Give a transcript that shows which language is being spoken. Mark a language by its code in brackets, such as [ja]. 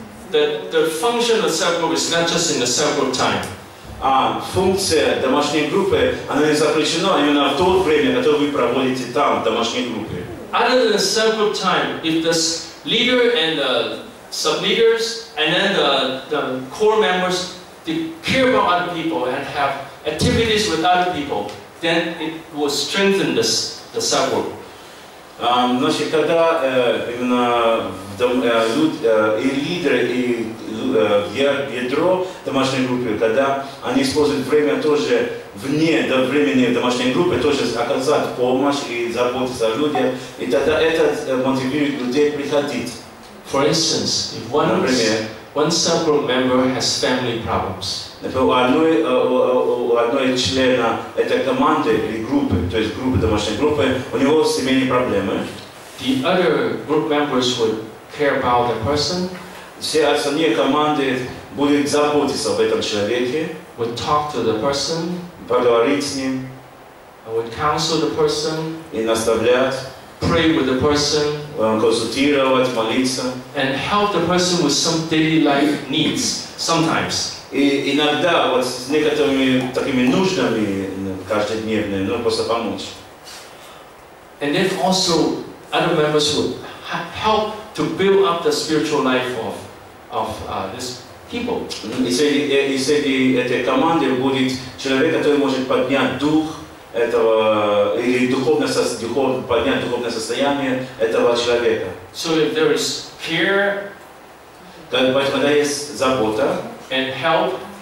[en] The function of cell group is not just in the cell group time. [ru] Функция домашней группы, она не заключена именно в то время, которое вы проводите там, в домашней группе. [en] Other than the cell group time, if the leader and the sub-leaders and then the core members they care about other people and have activities with other people, then it will strengthen the cell group. [ru] Значит, когда именно и лидеры, и ядро домашней группы, когда они используют время тоже вне времени домашней группы, тоже оказать помощь и заботиться о людях, и тогда это мотивирует людей приходить. [en] For instance, if one cell group member has family problems. [ru] У одной члена этой команды или группы, то есть группы домашней группы, у него семейные проблемы. [en] The other group members would care about the person. [ru] Все остальные команды будут заботиться об этом человеке. [en] Would talk to the person. [ru] Поговорить с ним. [en] Would counsel the person. [ru] И наставлять. [en] Pray with the person, [ru] консультировать, молиться, [en] and help the person with some daily life needs sometimes. [ru] иногда вот с некоторыми такими нуждами каждодневными, ну, просто помочь. [en] And then also other members would help to build up the spiritual life of this people. [ru] И среди этой команды будет человек, который может поднять дух этого или поднять духовное состояние этого человека. [en] So if there is care, [ru] когда есть забота, [en] and help,